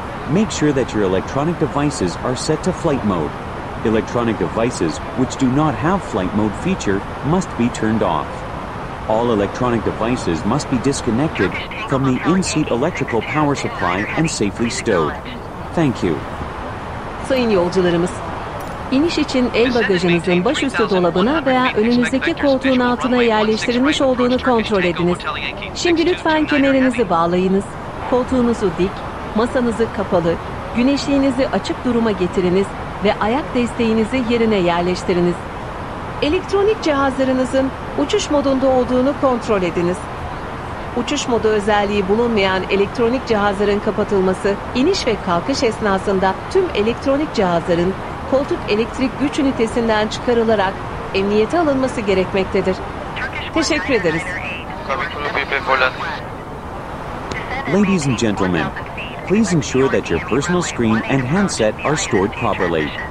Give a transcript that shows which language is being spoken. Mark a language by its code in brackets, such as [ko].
[en] Make sure that your electronic devices are set to flight mode. Electronic devices which do not have flight mode feature must be turned off. All electronic devices must be disconnected from the in-seat electrical power supply and safely stowed. Thank you. [tr] Sayın yolcularımız, iniş için el bagajınızın başüstü dolabına veya önünüzdeki koltuğun altına yerleştirilmiş olduğunu kontrol ediniz. Şimdi lütfen kemerinizi bağlayınız, koltuğunuzu dik, masanızı kapalı, güneşliğinizi açık duruma getiriniz ve ayak desteğinizi yerine yerleştiriniz. Elektronik cihazlarınızın uçuş modunda olduğunu kontrol ediniz. Uçuş modu özelliği bulunmayan elektronik cihazların kapatılması, iniş ve kalkış esnasında tüm elektronik cihazların koltuk elektrik güç ünitesinden çıkarılarak emniyete alınması gerekmektedir. Teşekkür ederiz. [en] Ladies and gentlemen, please ensure that your personal screen and handset are stored properly.